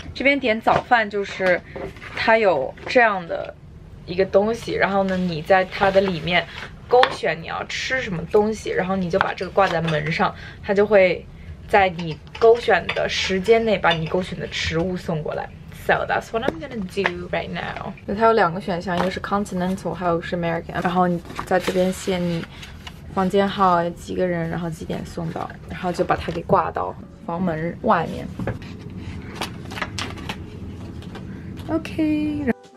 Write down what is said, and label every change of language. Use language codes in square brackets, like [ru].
[zh] 这边点早饭就是它有这样的一个东西，然后呢，你在它的里面勾选你要吃什么东西，然后你就把这个挂在门上，它就会在你勾选的时间内把你勾选的食物送过来。 [en] So that's what I'm gonna do right now. [zh] 那它有两个选项，一个是 continental， 还有是 American。然后你在这边写你房间号、几个人，然后几点送到，然后就把它给挂到房门外面。OK，